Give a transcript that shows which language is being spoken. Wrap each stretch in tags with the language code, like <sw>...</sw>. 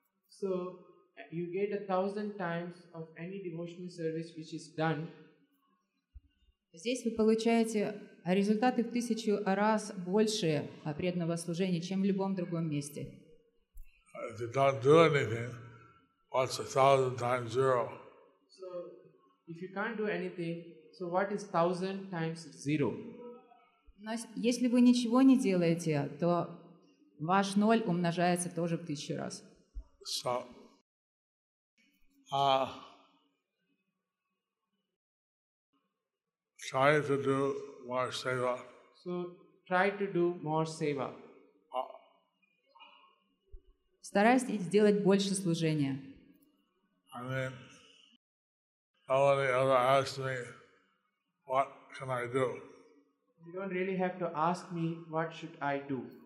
<en>So you get 1,000 times of any devotional service which is done.</en> <ru>Здесь вы получаете результаты в 1,000 раз больше преданного служения, чем в любом другом месте.</ru> <en>If you don't do anything, what's 1,000 times zero? So, if you can't do anything, so what is 1,000 times zero?</en> <ru>Но если вы ничего не делаете, то ваш ноль умножается тоже в 1,000 раз.</ru> <en>So, try to do more seva. So try to do more seva.</en> <ru>Старайся сделать больше служения.</ru> <en>And then nobody ever asked me, what can I do? You don't really have to ask me, what should I do?</en>